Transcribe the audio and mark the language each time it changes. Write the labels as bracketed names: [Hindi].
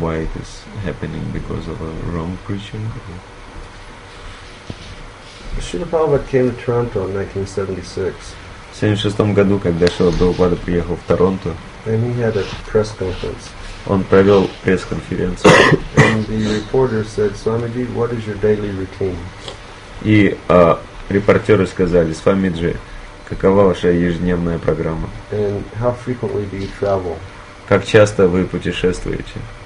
[English] Why it is happening? Because of a wrong preaching? Srila Prabhupada came to Toronto in 1976. [Russian] В 76 году, когда Шрила Прабхупада приехал в Торонто, [English] and he had a press conference. [Russian] Он провел пресс-конференцию. [English] And the reporter said, "Swamiji, what is your daily routine?" [Russian] И репортеры сказали, Свамиджи, какова ваша ежедневная программа? [English] And how frequently do you travel? [Russian] Как часто вы путешествуете?